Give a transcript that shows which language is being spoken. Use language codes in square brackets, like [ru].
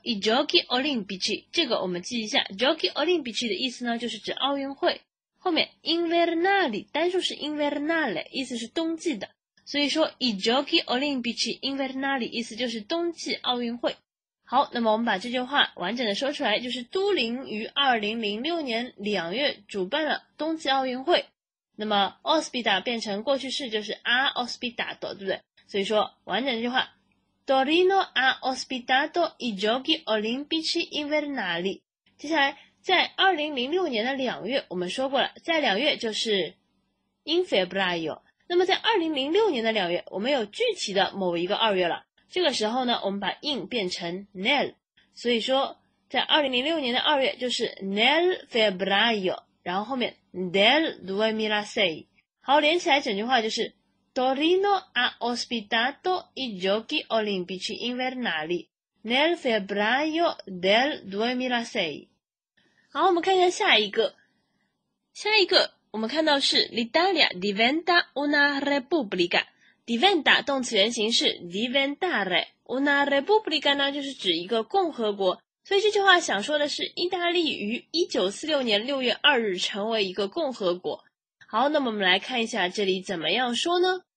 [zh] i giochi olimpici， 这个我们记一下， giochi olimpici 的意思呢就是指奥运会，后面 invernali 单数是 invernale， 意思是冬季的，所以说 [it] i giochi olimpici invernali [zh] 意思就是冬季奥运会。好，那么我们把这句话完整的说出来，就是都灵于2006年2月主办了冬季奥运会。那么 ospita 变成过去式就是 [it] ha ospitato， [zh] 对不对？所以说完整的这句话， [it] Torino ha ospitato i giochi olimpici invernali。 [zh] 接下来在2006年的2月，我们说过了在2月就是 in febbraio，那么在2006年的2月我们有具体的某一个2月了，这个时候呢我们把 in 变成 nel， 所以说在2006年的2月就是 [it] nel febbraio， [zh] 然后后面 [it] del 2006。 [zh] 好，连起来整句话就是 [it] Torino ha ospitato i giochi olimpici invernali nel febbraio del 2006。 [zh] 好，我们看一下下一个我们看到是 [it] l'Italia diventa una repubblica， [zh] diventa 动词原形是 diventare， una repubblica 呢就是指一个共和国，所以这句话想说的是意大利于1946年6月2日成为一个共和国。好，那么我们来看一下这里怎么样说呢。